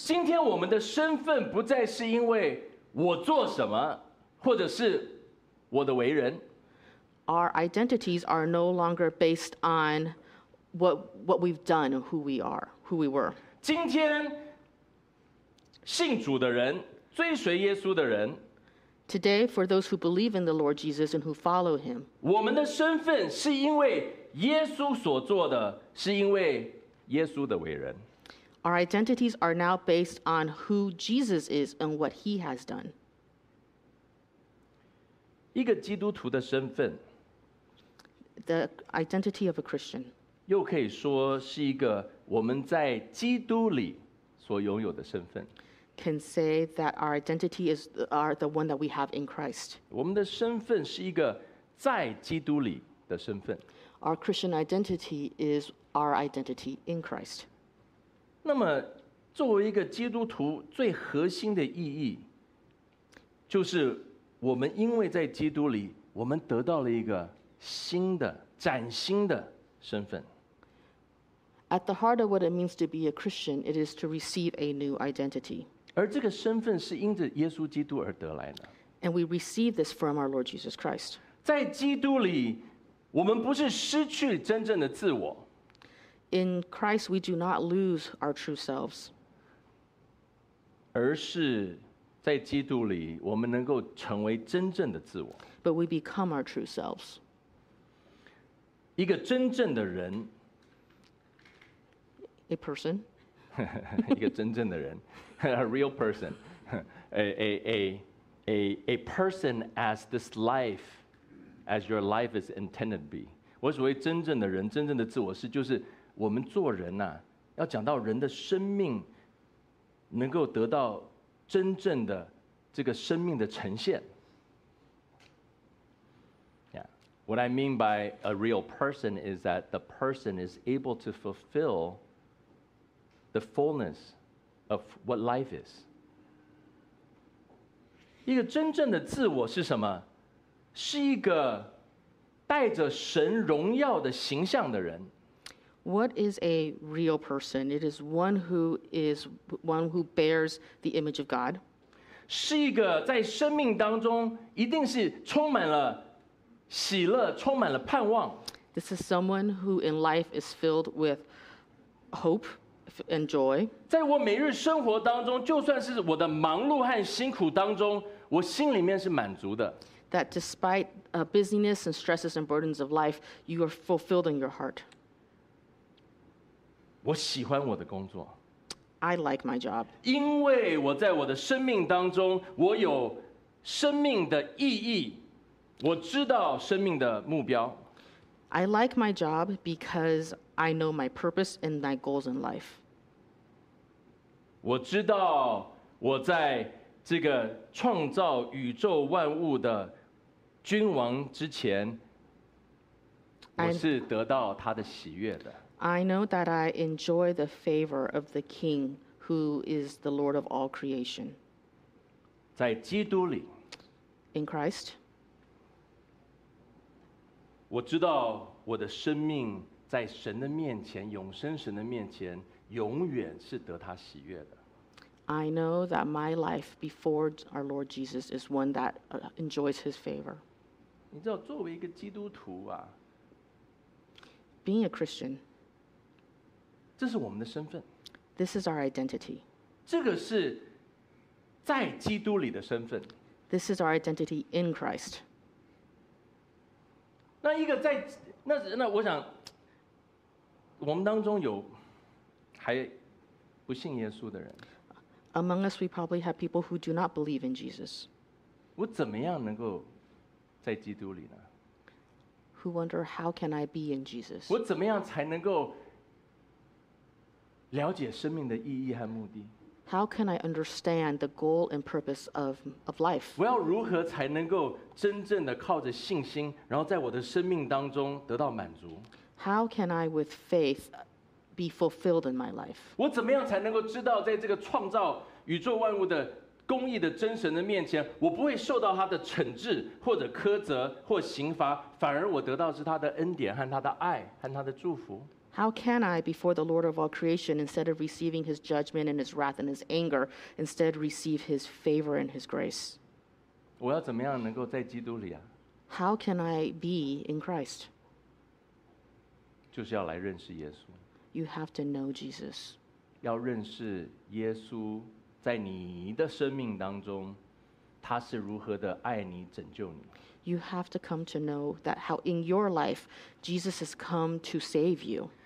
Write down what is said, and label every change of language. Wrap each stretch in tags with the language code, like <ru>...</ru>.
<zh>今天我们的身份不再是因为我做什么，或者是我的为人。</zh> <en>Our identities are no longer based on what we've done, who we are, who we were.</en> <zh>今天信主的人，追随耶稣的人</zh> <en>，Today for those who believe in the Lord Jesus and who follow Him,</en> <zh>我们的身份是因为耶稣所做的，是因为耶稣的为人。</zh> <en>Our identities are now based on who Jesus is and what He has done.</en> <zh>一个基督徒的身份。</zh> <en>The identity of a Christian.</en> <zh>又可以说是一个我们在基督里所拥有的身份。</zh> <en>Can say that our identity is the one that we have in Christ.</en> <zh>我们的身份是一个在基督里的身份。</zh> <en>Our Christian identity is our identity in Christ.</en> <zh>那么，作为一个基督徒，最核心的意义，就是我们因为在基督里，我们得到了一个新的、崭新的身份。</zh> <en>At the heart of what it means to be a Christian, it is to receive a new identity.</en> <zh>而这个身份是因着耶稣基督而得来的。</zh> <en>And we receive this from our Lord Jesus Christ.</en> <zh>在基督里，我们不是失去真正的自我。</zh> <en>In Christ, we do not lose our true selves.</en> <zh>而是在基督里，我们能够成为真正的自我。</zh> <en>But we become our true selves.</en> <zh>一个真正的人</zh> <en>，a person，</en> <zh>一个真正的人，</zh> <en>a real person， a person as this life， as your life is intended to be。</en> <zh>我所谓真正的人，真正的自我是，就是我们做人呐、啊，要讲到人的生命能够得到真正的这个生命的呈现。</zh> <en>What I mean by a real person is that the person is able to fulfill the fullness of what life is.</en> <zh>一个真正的自我是什么？是一个带着神荣耀的形象的人。</zh> <en>What is a real person? It is one who is one who bears the image of God.</en> <zh>是一个在生命当中一定是充满了喜乐，充满了盼望。</zh> <en>This is someone who in life is filled with hope, enjoy.</en> <zh>在我每日生活当中，就算是我的忙碌和辛苦当中，我心里面是满足的。</zh> <en>That despite busyness and stresses and burdens of life, you are fulfilled in your heart.</en> <zh>我喜欢我的工作。</zh> <en>I like my job.</en> <zh>因为我在我的生命当中，我有生命的意义，我知道生命的目标。</zh> <en>I like my job because I know my purpose and my goals in life.</en> <zh>我知道我在这个创造宇宙万物的君王之前，我是得到他的喜悦的。</zh> <en>I know that I enjoy the favor of the King who is the Lord of all creation.</en> <zh>在基督里。</zh> <en>In Christ.</en> <zh>我知道我的生命在神的面前，永生神的面前，永远是得他喜悦的。</zh> <en>I know that my life before our Lord Jesus is one that enjoys his favor.</en> <zh>你知道，作为一个基督徒啊，</zh> <en>Being a Christian.</en> <zh>这是我们的身份。</zh> <en>This is our identity.</en> <zh>这个是在基督里的身份。</zh> <en>This is our identity in Christ.</en> <zh>那一个在 那我想我们当中有还不信耶稣的人。</zh> <en>Among us, we probably have people who do not believe in Jesus.</en> <zh>我怎么样能够在基督里呢？</zh> <en>Who wonder how can I be in Jesus?</en> <zh>我怎么样才能够了解生命的意义和目的。</zh> <en>How can I understand the goal and purpose of life?</en> <zh>我要如何才能够真正的靠着信心，然后在我的生命当中得到满足？</zh> <en>How can I with faith be fulfilled in my life?</en> <zh>我怎么样才能够知道，在这个创造宇宙万物的公义的真神的面前，我不会受到他的惩治或者苛责或刑罚，反而我得到是他的恩典和他的爱和他的祝福？</zh> <en>How can I, before the Lord of all creation, instead of receiving his judgment and his wrath and his anger, instead receive his favor and his grace?</en> <zh>我要怎么样能够在基督里啊？</zh> <en>How can I be in Christ?</en> <zh>就是要来认识耶稣。</zh> <en>You have to know Jesus.</en> <zh>要认识耶稣在你的生命当中，他是如何的爱你，拯救你。</zh> <en>You have to come to know that how in your life, Jesus has come to save you.</en>